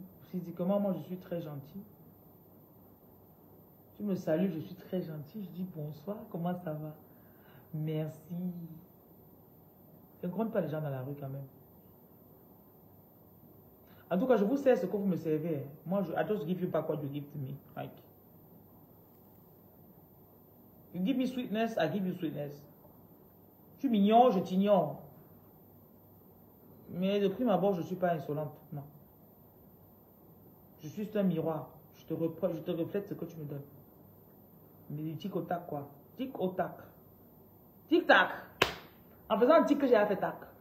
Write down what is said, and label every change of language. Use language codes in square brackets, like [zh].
[fr] Physiquement, moi, je suis très gentil. Tu me salues, je suis très gentil. Je dis bonsoir, comment ça va? Merci. Je ne compte pas les gens dans la rue quand même. En tout cas, je vous sais ce que vous me servez. Moi, je. [en] I just give you back what you give to me. Like. You give me sweetness, I give you sweetness. [fr] Tu m'ignores, je t'ignore. Mais de prime abord, je ne suis pas insolente. Non. Je suis juste un miroir. Je te reflète ce que tu me donnes. Mais du tic au tac, quoi. Tic au tac. Tic-tac. En faisant un tic que j'ai fait tac.